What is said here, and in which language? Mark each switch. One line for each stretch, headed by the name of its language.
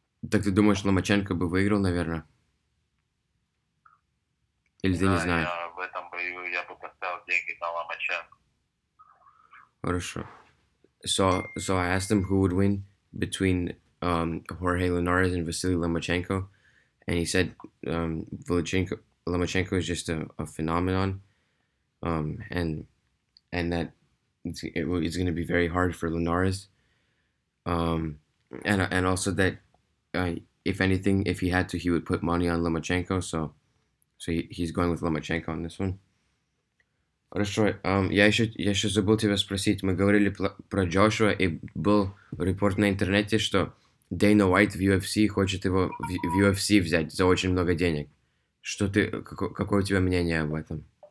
Russian: Так ты думаешь, Ломаченко бы выиграл, наверное? Или ты не Да, знаешь? я в этом бою я бы поставил деньги на Ломаченко. Хорошо.
English: So I asked him who would win between Jorge Linares and Vasily Lomachenko, and he said Lomachenko is just a phenomenon, and that it's going to be very hard for Linares, and also that. If anything, if he had to, he would put money on Lomachenko. So he's going with Lomachenko on this one.
Russian: Хорошо. Я еще забыл тебя спросить. Мы говорили про Джошуа, и был репорт на интернете, что Дейна Уайт в UFC хочет его в UFC взять за очень много денег. Что ты, какое у тебя мнение об этом?